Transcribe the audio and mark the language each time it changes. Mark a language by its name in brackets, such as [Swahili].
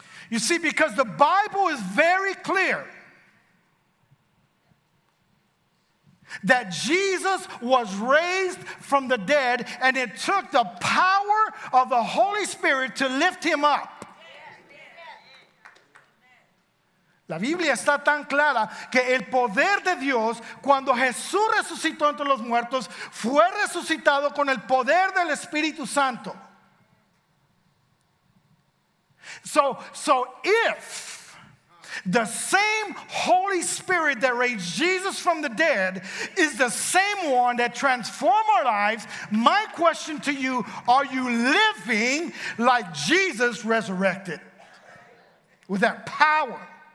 [English] You see, because the Bible is very clear that Jesus was raised from the dead, and it took the power of the Holy Spirit to lift him up. [Spanish] La Biblia está tan clara que el poder de Dios, cuando Jesús resucitó entre los muertos, fue resucitado con el poder del Espíritu Santo. [English] So if the same Holy Spirit that raised Jesus from the dead is the same one that transformed our lives, my question to you, are you living like Jesus resurrected with that power?